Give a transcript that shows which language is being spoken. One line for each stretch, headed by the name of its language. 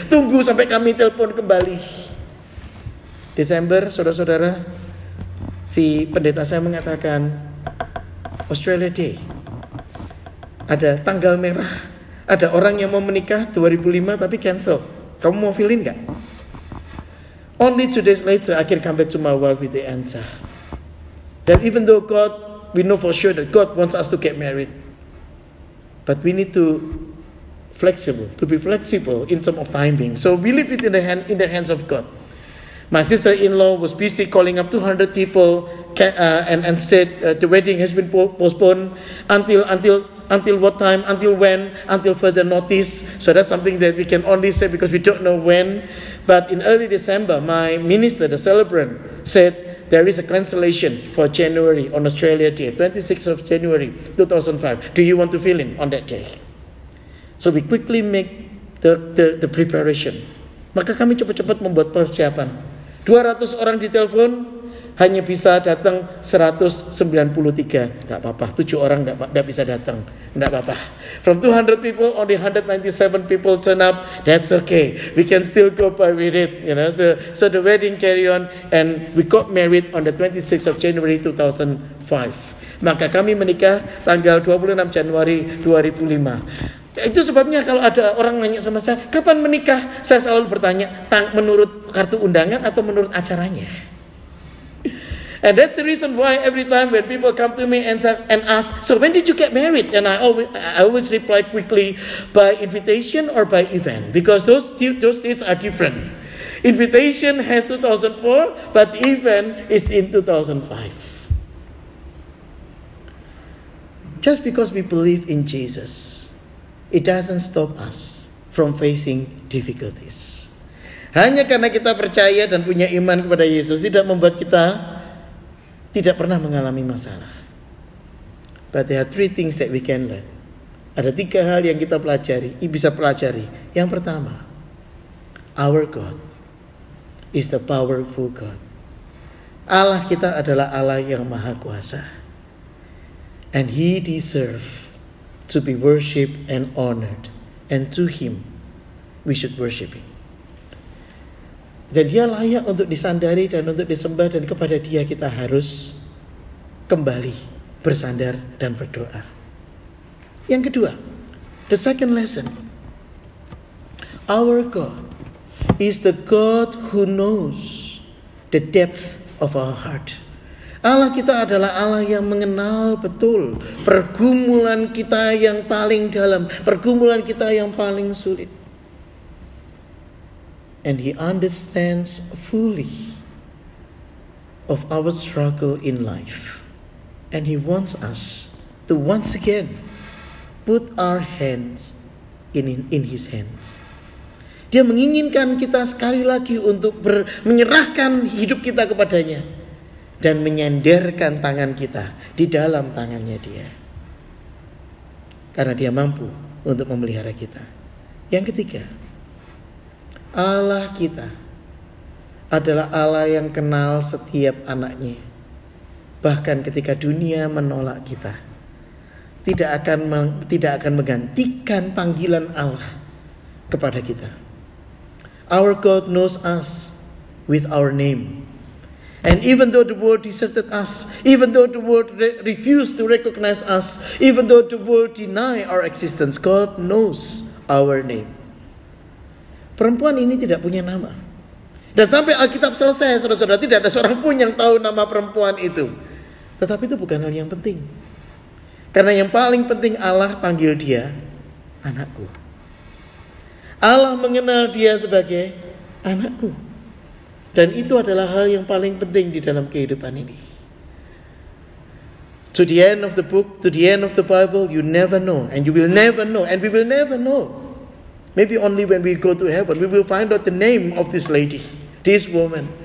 Indonesian: Tunggu sampai kami telepon kembali. Desember, saudara-saudara, si pendeta saya mengatakan, Australia Day. Ada tanggal merah. Ada orang yang mau menikah 2005 tapi cancel. Kamu mau
English: fill in
Indonesian: gak?
English: Only 2 days later, I can come back to my wife with the answer. That even though God, we know for sure that God wants us to get married. But we need to flexible, to be flexible in terms of timing. So we leave it in the hands of God. My sister-in-law was busy calling up 200 people and said the wedding has been postponed until what time, until when, until further notice. So that's something that we can only say because we don't know when. But in early December, my minister, the celebrant, said there is a cancellation for January on Australia Day, 26th of January 2005. Do you want to fill in on that day? So we quickly make the preparation.
Indonesian: Maka kami cepat-cepat membuat persiapan. 200 orang ditelepon, hanya bisa datang 193. Tidak apa-apa, 7 orang tidak bisa datang. Tidak apa-apa. From 200 people, only 197 people turn up. That's okay. We can still go by with it. You know? So the wedding carry on, and we got married on the 26th of January 2005. Maka kami menikah tanggal 26 Januari 2005. Itu sebabnya kalau ada orang nanya sama saya, kapan menikah? Saya selalu bertanya, menurut kartu undangan atau menurut acaranya?
English: And that's the reason why every time when people come to me and ask, so when did you get married? And I always reply quickly, by invitation or by event? Because those dates are different. Invitation has 2004, but the event is in 2005. Just because we believe in Jesus, it doesn't stop us from facing difficulties.
Indonesian: Hanya karena kita percaya dan punya iman kepada Yesus tidak membuat kita tidak pernah mengalami masalah.
English: But there are 3 things that we can learn.
Indonesian: Ada 3 hal yang kita pelajari, bisa pelajari. Yang pertama,
English: our God is the powerful God.
Indonesian: Allah kita adalah Allah yang maha kuasa.
English: And He deserves to be worshipped and honored. And to Him, we should worship Him.
Indonesian: Dan Dia layak untuk disandari dan untuk disembah, dan kepada Dia kita harus kembali bersandar dan berdoa. Yang kedua,
English: the second lesson. Our God is the God who knows the depths of our heart.
Indonesian: Allah kita adalah Allah yang mengenal betul pergumulan kita yang paling dalam, pergumulan kita yang paling sulit.
English: And He understands fully of our struggle in life. And He wants us to once again put our hands in His hands.
Indonesian: Dia menginginkan kita sekali lagi untuk menyerahkan hidup kita kepadanya. Dan menyandarkan tangan kita di dalam tangannya Dia. Karena Dia mampu untuk memelihara kita. Yang ketiga, Allah kita adalah Allah yang kenal setiap anaknya. Bahkan ketika dunia menolak kita, tidak akan menggantikan panggilan Allah kepada kita.
English: Our God knows us with our name. And even though the world deserted us, even though the world refused to recognize us, even though the world deny our existence, God knows our name.
Indonesian: Perempuan ini tidak punya nama. Dan sampai Alkitab selesai, saudara-saudara, tidak ada seorang pun yang tahu nama perempuan itu. Tetapi itu bukan hal yang penting. Karena yang paling penting, Allah panggil dia anakku. Allah mengenal dia sebagai anakku. Dan itu adalah hal yang paling penting di dalam kehidupan ini.
English: To the end of the book, to the end of the Bible, you never know, and you will never know, and we will never know. Maybe only when we go to heaven, we will find out the name of this lady, this woman,